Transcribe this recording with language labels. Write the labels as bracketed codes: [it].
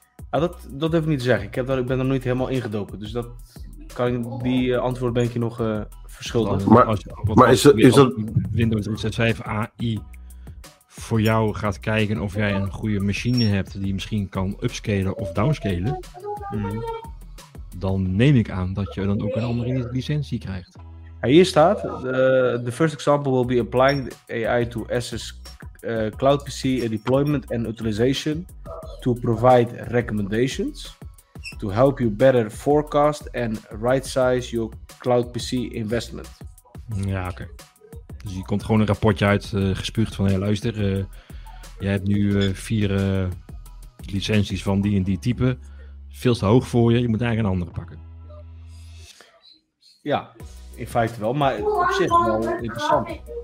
[nl] Ah, dat durf ik niet te zeggen. Ik ben er nog niet helemaal ingedoken. Dus dat kan die antwoord ben ik je nog verschuldigd. Maar is dat... Windows 365 AI voor jou gaat kijken of jij een goede machine hebt die misschien kan upscalen of downscalen. Dan neem ik aan dat je dan ook een andere licentie krijgt. Hier staat, [en] the first example will be applying AI to SS Cloud PC deployment and utilization to provide recommendations to help you better forecast and right-size your Cloud PC investment. [nl] Ja, oké. Okay. Dus je komt gewoon een rapportje uit gespuugd van, hey, luister, jij hebt nu 4 licenties van die en die type. Veel te hoog voor je moet eigenlijk een andere pakken. Ja, in feite wel, maar op zich wel interessant.